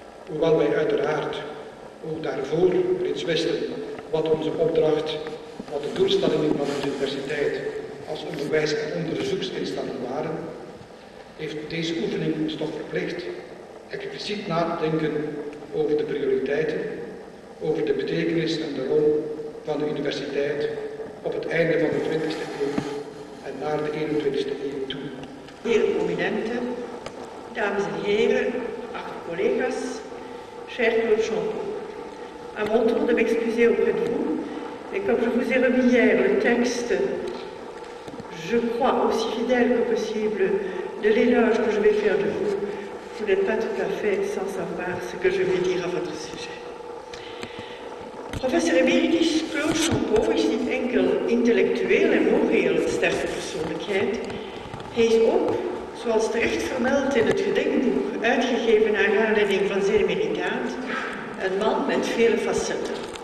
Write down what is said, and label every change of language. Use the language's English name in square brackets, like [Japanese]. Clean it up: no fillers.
[Dutch] Hoewel wij uiteraard ook daarvoor reeds wisten wat onze opdracht, wat de doelstellingen van de universiteit als onderwijs- en onderzoeksinstelling waren, heeft deze oefening ons toch verplicht expliciet na te denken over de prioriteiten, over de betekenis en de rol van de universiteit op het einde van de 20e eeuw en naar de 21e eeuw toe. Heer prominente, dames en heren, geachte collega's, [French] chers clochons, à mon tour de m'excuser auprès de vous, et comme je vous ai remis hier le texte, je crois aussi fidèle que possible de l'éloge que je vais faire de vous, vous n'êtes pas tout à fait sans savoir ce que je vais dire à votre sujet. [Dutch] Professeur Emeritus Claude Champeau is niet enkel intellectueel en moreel sterke persoonlijkheid. Hij is ook, zoals terecht vermeld in het gedenkboek, uitgegeven naar aanleiding van zijn emeritaat, een man met vele facetten.